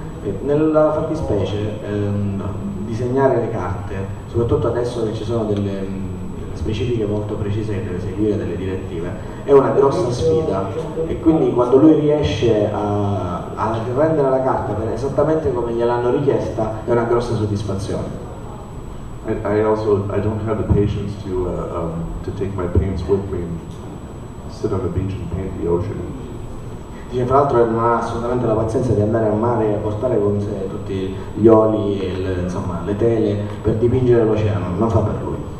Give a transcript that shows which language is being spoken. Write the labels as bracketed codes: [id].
[it] E nella fattispecie disegnare le carte, soprattutto adesso che ci sono delle specifiche molto precise che deve seguire, delle direttive, è una grossa sfida. E quindi quando lui riesce a rendere la carta per esattamente come gliel'hanno richiesta, è una grossa soddisfazione. [en] I don't have the patience to take my paints with me and sit on the beach and paint the ocean. [it] Dice, fra l'altro non ha assolutamente la pazienza di andare al mare e portare con sé tutti gli oli e insomma le tele per dipingere l'oceano, non fa per lui.